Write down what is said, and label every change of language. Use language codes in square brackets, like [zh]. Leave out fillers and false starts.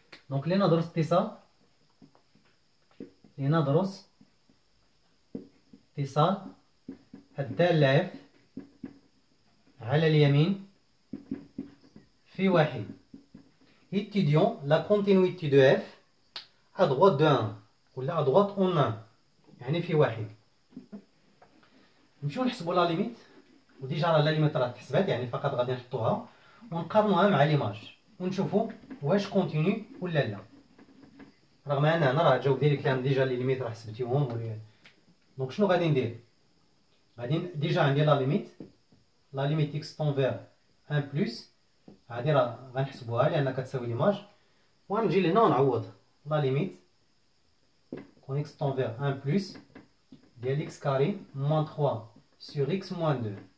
[ar] دونك لندرس اتصال، لندرس اتصال الدالة F على اليمين في واحد. [fr] Étudions la continuité de F à droite de 1 ou à droite en 1. [ar] يعني في واحد. نمشيو نحسبوا [fr] لا ليميت [ar] وديجا راه لا ليميت راه تحسبات يعني فقط غادي نحطوها ونقارنوها مع ليماج ونشوفوا واش [fr] كونتيني [ar] ولا لا. رغم ان انا راه جاوب ديالي كان ديجا [fr] لي ليميت [ar] راه حسبتيهم دونك شنو غادي ندير؟ غادي ديجا عندي [fr] لا ليميت اكس تون فير ان بلوس [ar] هادي راه غنحسبوها لان كتساوي ليماج ونجي لهنا ونعوض لا ليميت [fr] كون اكس تون فير ان بلوس [ar] ديال اكس [fr] كاري موان 3 سور اكس موان 2.